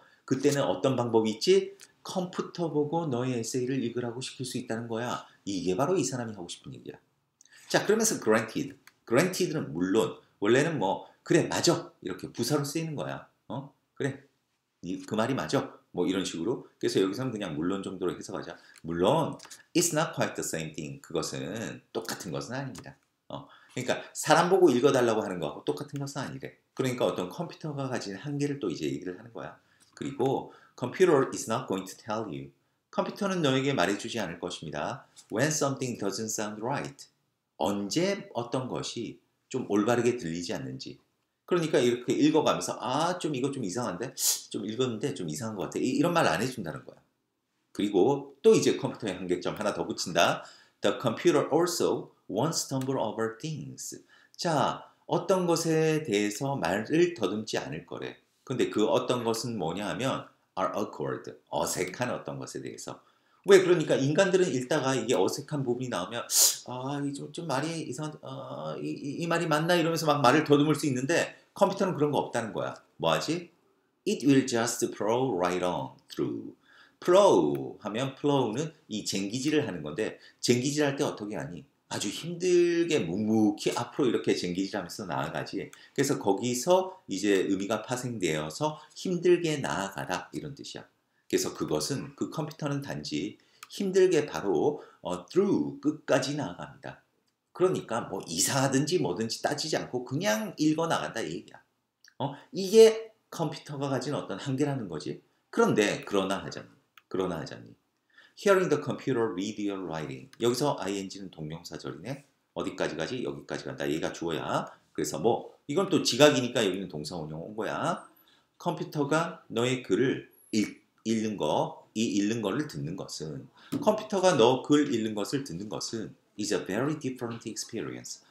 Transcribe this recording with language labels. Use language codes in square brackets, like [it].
[ko] 그때는 어떤 방법이 있지? 컴퓨터 보고 너의 에세이를 읽으라고 시킬 수 있다는 거야. 이게 바로 이 사람이 하고 싶은 얘기야. 자, 그러면서 granted. granted는 물론, 원래는 뭐, 그래, 맞아. 이렇게 부사로 쓰이는 거야. 어? 그래. 그 말이 맞아. 뭐 이런 식으로. 그래서 여기서는 그냥 물론 정도로 해석하자. 물론, [en] it's not quite the same thing. [ko] 그것은 똑같은 것은 아닙니다. 그러니까 사람 보고 읽어달라고 하는 거하고 똑같은 것은 아니래. 그러니까 어떤 컴퓨터가 가진 한계를 또 이제 얘기를 하는 거야. 그리고 [en] computer is not going to tell you. [ko] 컴퓨터는 너에게 말해주지 않을 것입니다. [en] When something doesn't sound right. [ko] 언제 어떤 것이 좀 올바르게 들리지 않는지. 그러니까 이렇게 읽어가면서 아, 좀 이거 좀 이상한데? 좀 읽었는데 좀 이상한 것 같아. 이런 말 안 해준다는 거야. 그리고 또 이제 컴퓨터의 한계점 하나 더 붙인다. [en] The computer also won't stumble over things. [ko] 자, 어떤 것에 대해서 말을 더듬지 않을 거래. 근데 그 어떤 것은 뭐냐 하면 [en] are awkward, [ko] 어색한 어떤 것에 대해서. 왜? 그러니까 인간들은 읽다가 이게 어색한 부분이 나오면 아, 좀 말이 이상한, 이 말이 맞나? 이러면서 막 말을 더듬을 수 있는데 컴퓨터는 그런 거 없다는 거야. 뭐하지? [en] It will just plow right on through. [ko] Plow 하면 plow는 이 쟁기질을 하는 건데 쟁기질 할 때 어떻게 하니? 아주 힘들게 묵묵히 앞으로 이렇게 쟁기질하면서 나아가지. 그래서 거기서 이제 의미가 파생되어서 힘들게 나아가다 이런 뜻이야. 그래서 그것은 그 컴퓨터는 단지 힘들게 바로 through 끝까지 나아갑니다. 그러니까 뭐 이상하든지 뭐든지 따지지 않고 그냥 읽어나간다 얘기야. 이게 컴퓨터가 가진 어떤 한계라는 거지. 그런데 그러나 하자니. [en] Hearing the computer read your writing. [ko] 여기서 ing는 동명사절이네. 어디까지 가지? 여기까지 간다. 얘가 주어야. 그래서 뭐 이건 또 지각이니까 여기는 동사원형 온 거야. 컴퓨터가 너의 글을 읽는 것을 듣는 것은 컴퓨터가 너 글 읽는 것을 듣는 것은 [en] is a very different experience.